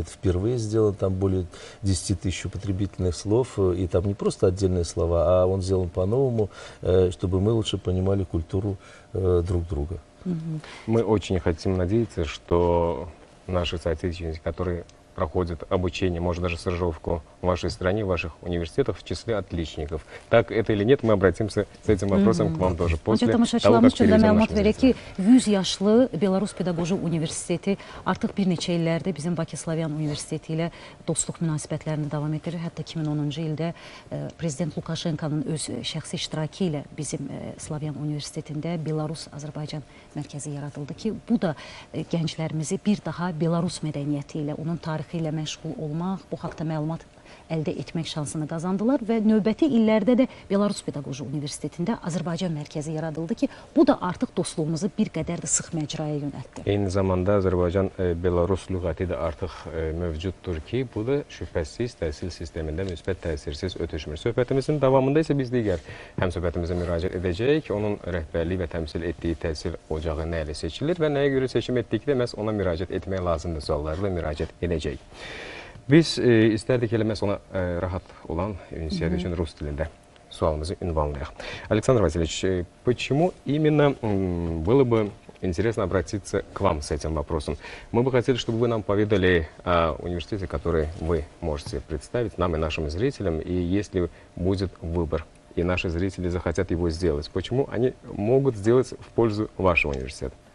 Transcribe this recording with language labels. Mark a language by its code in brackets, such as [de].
[ru] Это впервые сделано, там более 10 тысяч употребительных слов, и там не просто отдельные слова, а он сделан по-новому, чтобы мы лучше понимали культуру друг друга. Мы очень хотим надеяться, что наши соотечественники, которые проходят обучение, может, даже стажировку в вашей стране, в ваших университетах, в числе отличников. Так это или нет, мы обратимся с этим вопросом к вам тоже после того, как перейдем наши дети. [az] 100 yaşlı Belarus Pedagoji Universiteti artık bir neçə illərdə bizim Bakı Slavyan Universiteti ilə dostluq münasibətlərini davam etdirir. Hətta 2010-cu ildə Prezident Lukaşenkanın öz şəxsi iştirakı ilə bizim Slavyan Universitetində Belarus-Azərbaycan mərkəzi yaradıldı ki, bu da gənclərimizi bir daha Belarus mədəniyyəti ilə, onun tarixi ilə məşğul olmaq, bu haqda məlumat əldə etmək şansını qazandılar və növbəti illərdə də Belarus Pedagoji Universitetində Azərbaycan mərkəzi yaradıldı ki, bu da artıq dostluğumuzu bir qədər də sıx məcraya yönəltdi. Eyni zamanda Azərbaycan Belarus lüğəti də artıq mövcuddur ki, bu da şübhəsiz təhsil sistemində müsbət təsirsiz ötüşmür. Söhbətimizin davamında isə biz digər həmsöhbətimizə müraciət edəcəyik. Onun rəhbərliyi və təmsil etdiyi təhsil ocağı nə ilə seçilir və nəyə görə seçim etdik də məhz ona müraciət etmək lazımdır suallarla müraciət edəcəyik. Biz istərdik elə məhz ona rahat olan ünsiyyət üçün rus dilində sualımızı ünvanlayaq. [ru] Александр Васильевич, почему именно было бы интересно обратиться к вам с этим вопросом? Мы бы хотели, чтобы вы нам поведали о университете, который вы можете представить нам и нашим зрителям, и если будет выбор, и наши зрители захотят его сделать, почему они могут сделать в пользу вашего университета?